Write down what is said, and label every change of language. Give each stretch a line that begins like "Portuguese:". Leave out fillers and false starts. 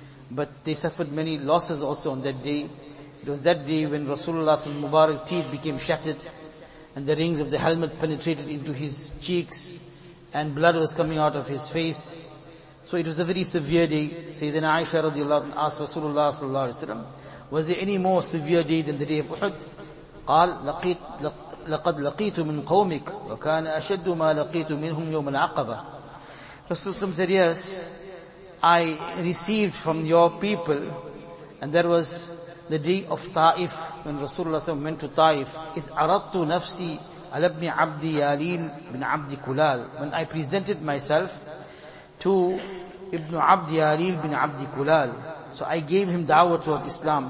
English: But they suffered many losses also on that day. It was that day when Rasulullah's Mubarak teeth became shattered and the rings of the helmet penetrated into his cheeks and blood was coming out of his face. So it was a very severe day. Sayyidina Aisha radiallahu anha asked Rasulullah sallallahu alayhi wa sallam, was there any more severe day than the day of Uhud?
Arabic: قال لقد لقيت من قومك وكان أشد ما لقيت منهم يوم العقبة.
English: Rasulullah said, yes, I received from your people, and that was the day of Ta'if, when Rasulullah SAW went to Ta'if.
Arabic: إِذْ عَرَضْتُ نَفْسِي عَلَى ابْنِ عَبْدِ يَالِيلِ بْنِ عَبْدِ كُلَالِ.
English: When I presented myself to Ibn Abd Yalil bin Abd Kulal, so I gave him da'wah towards Islam.